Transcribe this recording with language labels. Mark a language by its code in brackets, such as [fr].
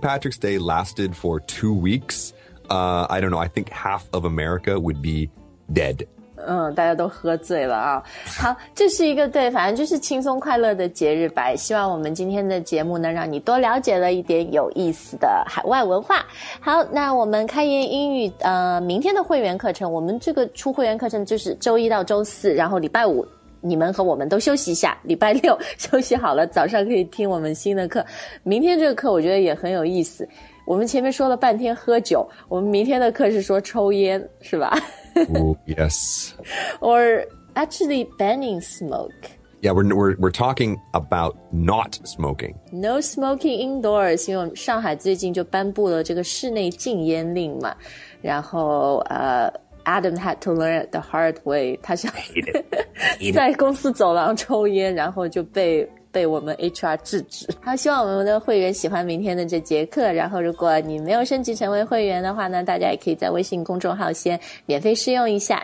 [en] Patrick's Day lasted for 2 weeks, I don't know, I think half of America would be dead. [zh] 大家都喝醉了啊。好，这是一个对，反正就是轻松快乐的节日吧。希望我们今天的节目能让你多了解了一点有意思的海外文化。好，那我们开言英语明天的会员课程，我们这个出会员课程就是周一到周四，然后礼拜五你们和我们都休息一下，礼拜六休息好了，早上可以听我们新的课。明天这个课我觉得也很有意思。我们前面说了半天喝酒，我们明天的课是说抽烟，是吧 [en] ？Oh, yes. Or actually banning smoke. Yeah, we're talking about not smoking. No smoking indoors. [zh] 因为上海最近就颁布了这个室内禁烟令嘛，然后 [en] Adam had to learn it the hard way. [zh] 他想在公司走廊抽烟，然后就被我们 HR 制止。他希望我们的会员喜欢明天的这节课。然后，如果你没有升级成为会员的话呢，大家也可以在微信公众号先免费试用一下。